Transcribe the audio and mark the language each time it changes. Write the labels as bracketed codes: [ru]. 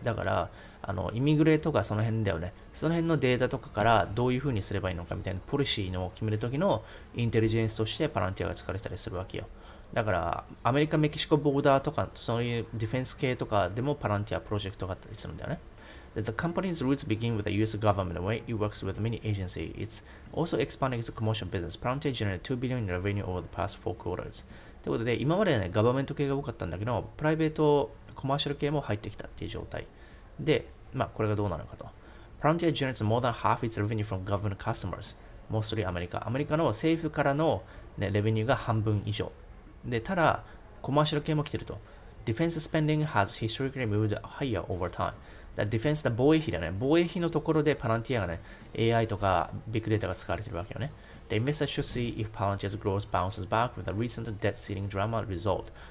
[ja] だから、イミグレとかその辺だよね、その辺のデータとかからどういう風にすればいいのかみたいな、ポリシーの決めるときのインテリジェンスとしてパランティアが使われたりするわけよ。だから、アメリカ・メキシコボーダーとか、そういうディフェンス系とかでもパランティアプロジェクトがあったりするんだよね。 [en] The company's roots begin with the US government, where it works with many agencies. It's also expanding its commercial business. Plantia generated $2 billion in revenue over the past four quarters. [ja] ということで、今までね、ガバメント系が多かったんだけど、プライベート、コマーシャル系も入ってきたっていう状態。で、まあ、これがどうなのかと。 [en] Plantia generates more than half its revenue from government customers, mostly America. [ja] アメリカの政府からの、ね、レベニューが半分以上。で、ただ、コマーシャル系も来てると。 [en] Defense spending has historically moved higher over time. [ja] ディフェンスだ、防衛費だね。防衛費のところでパランティアがね、AI とかビッグデータが使われてるわけよね。 [en] The investor should see if Palantir's growth bounces back with the recent debt ceiling drama result.